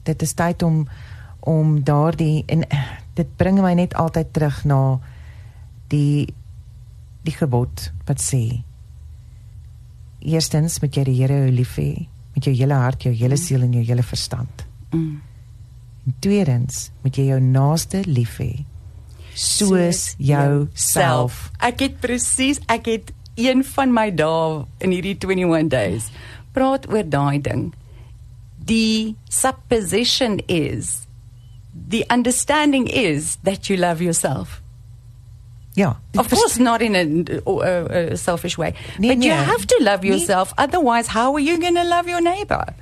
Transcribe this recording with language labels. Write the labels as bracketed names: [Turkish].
[Afrikaans] Dit is tyd om daar die, en dit bring my net altyd terug na die gebod wat sê, eerstens moet jy die Here jou lief hê, met jou hele hart, jou hele siel en jou hele verstand. En tweedens moet jy jou naaste lief hê, soos jou self. Ek het een van my dae in hierdie [English] 21 days [Afrikaans] praat oor daai ding. [English] Die supposition is, the understanding is that you love yourself. Yeah. Of course not in a selfish way. Nee, but nee, you have to love yourself, nee. Otherwise how are you going to love your neighbor?